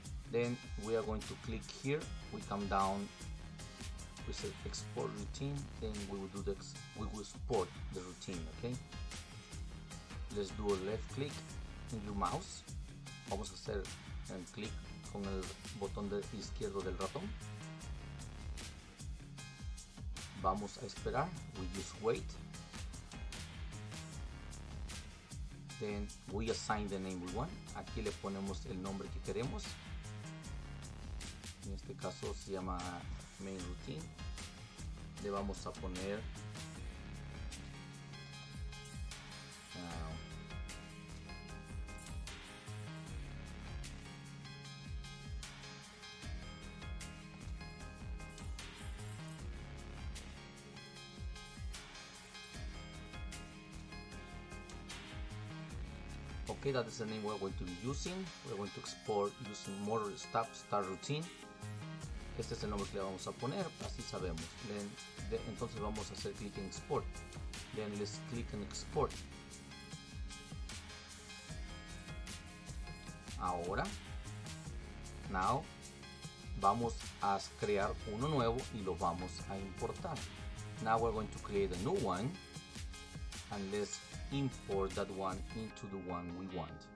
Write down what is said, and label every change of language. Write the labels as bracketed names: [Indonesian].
[English] Then we are going to click here, we come down, we say export routine, then we will do the export the routine. Okay, let's do a left click in your mouse. [Spanish] Vamos a hacer un clic con el botón de izquierdo del ratón. Vamos a esperar. [English] We just wait. Then we assign the name we want. [Spanish] Aquí le ponemos el nombre que queremos. En este caso se llama Main Routine. Le vamos a poner [English] okay, that is the name we're going to be using. We're going to export using motor stop start routine. [Spanish] Este es el nombre que le vamos a poner, así sabemos. Entonces vamos a hacer clic en export. [English] Then let's click en export. [Spanish] Ahora, [English] now, [Spanish] vamos a crear uno nuevo y lo vamos a importar. [English] Now we're going to create a new one and let's import that one into the one we want.